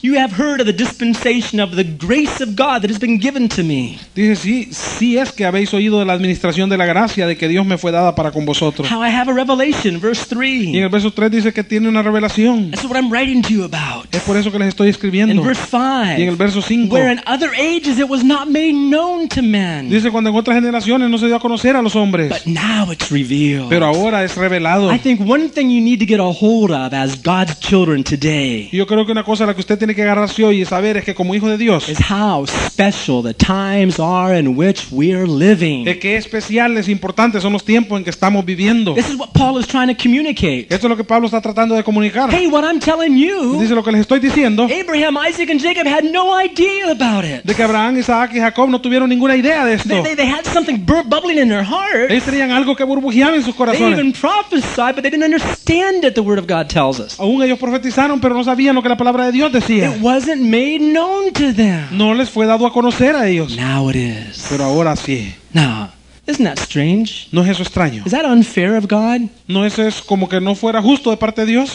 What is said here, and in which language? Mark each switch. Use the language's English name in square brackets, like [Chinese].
[English] You have heard of the dispensation of the grace of God that has been given to me. [Spanish] Dice sí es que habéis oído de la administración de la gracia de que Dios me fue dada para con vosotros. [English] How I have a revelation, verse 3. [Spanish] Y en el verso 3 dice que tiene una revelación. [English] That's what I'm writing to you about. [Spanish] Es por eso que les estoy escribiendo. [English] In verse 5. [Spanish] Y en el verso 5. [English] Where in other ages it was not made known to men. [Spanish] Dice cuando en otras generaciones no se dio a conocer a los hombres. [English] But now it's revealed. [Spanish] Pero ahora es revelado. [English] I think one thing you need to get a hold of as God's children today. [Spanish] Yo creo que una cosa a la que usted tiene que agarrarse hoy y saber es que como hijo de Dios [English] is how special the times are in which we are living. [Spanish] De qué especiales e importantes son los tiempos en que estamos viviendo. [English] This is what Paul is trying to communicate. [Spanish] Esto es lo que Pablo está tratando de comunicar. [English] Hey, what I'm telling you. [Spanish] Dice lo que les estoy diciendo. [English] Abraham, Isaac and Jacob had no idea about it. [Spanish] De que Abraham, Isaac y Jacob no tuvieron ninguna idea de esto. [English] They had something bubbling in their hearts. [Spanish] Ellos tenían algo que burbujeaba en sus corazones. [English] They even prophesied, but they didn't understand it. The Word of God tells us. [Spanish] Aún ellos profetizaron, pero no sabían lo que la palabra de Dios decía. [English] It wasn't made known to them. [Spanish] No les fue dado a conocer a ellos. [English] Now it is. [Spanish] Pero ahora sí. [English] Now, isn't that strange? [Spanish] ¿No es eso extraño? [English] Is that unfair of God? [Spanish] ¿No es eso como que no fuera justo de parte de Dios?